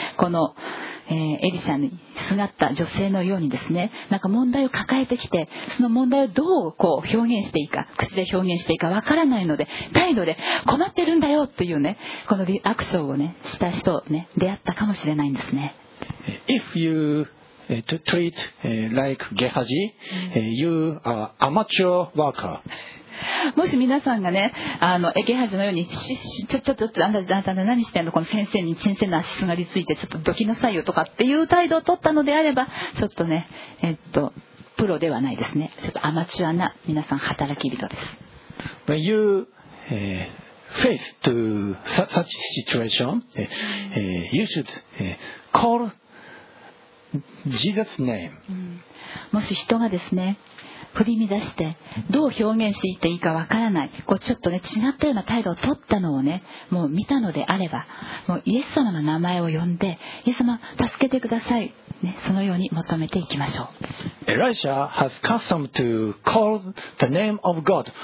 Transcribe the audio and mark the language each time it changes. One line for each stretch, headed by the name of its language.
Japanese: この、エリシャにすがった女性のようにですね、なんか問題を抱えてきて、その問題をどうこう表現していいか、口で表現していいかわからないので、態度で困ってるんだよというね、このリアクションをね、した人をね、出会ったかもしれないんですね。
English: If youto treat like Gehazi, you are amateur worker.
Japanese: もし皆さんがね、ゲハジのようにちょっとあなた何してんの、この先生の足すがりついてちょっとどきなさいよとかっていう態度を取ったのであれば、ちょっとね、プロではないですね。ちょっとアマチュアな皆さん働き人です。
English: When you face to such situation, you should callJesus name.
Japanese: もし人がですね、振り乱してどう表現していっていいかわからない、こうちょっとね違ったような態度を取ったのをね、もう見たのであれば、もうイエス様の名前を呼んで、イエス様助けてください、ね、そのように求めていきましょう。
English: Elisha has custom to call the name of God.